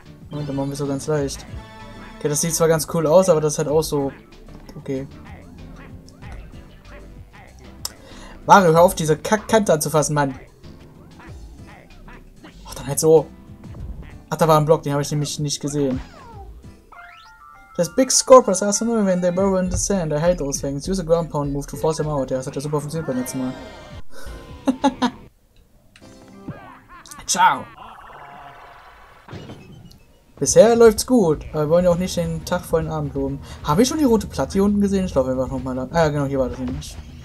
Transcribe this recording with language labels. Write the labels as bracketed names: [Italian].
[German] Moment, da machen wir so ganz leicht. Okay, das sieht zwar ganz cool aus, aber das ist halt auch so. Okay. Mario, hör auf, diese Kackkante anzufassen, Mann. Ach, dann halt so. Ach, da war ein Block, den habe ich nämlich nicht gesehen. [English] Das Big Scorpers are so annoying when they burrow in the sand. I hate those things. Use a ground pound move to force them out. [German] Ja, das hat ja super funktioniert beim letzten Mal. Ciao! Bisher läuft's gut, aber wir wollen ja auch nicht den Tag vor den Abend loben. Habe ich schon die rote Platte hier unten gesehen? Ich laufe einfach nochmal lang. Ah ja, genau, hier war das nämlich.